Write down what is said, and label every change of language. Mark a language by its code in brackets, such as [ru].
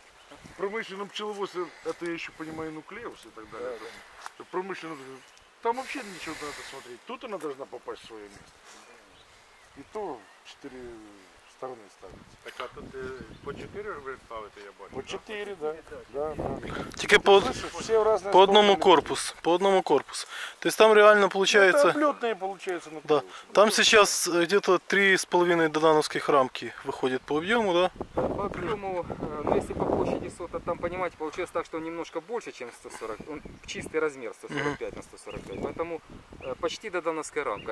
[ru] В промышленном пчеловодстве, это я еще понимаю, нуклеус и так далее. Да, да. Промышленный... Там вообще ничего на это смотреть. Тут она должна попасть в свое место. И то четыре стороны ставится. [uk] Так а тут по 4 ставите, я бачу. [ru] По 4, да. Да. Да. [uk] Тільки по одному корпус. По одному корпус. [ru] То есть там реально получается. Ну, облетные получается на да. Там ну, сейчас да. Где-то 3,5 додановских рамки выходит по объему, да? По объему, ну если по площади сота, там понимаете, получилось так, что он немножко больше, чем 140. Он чистый размер 145 на 145. Поэтому почти додановская рамка.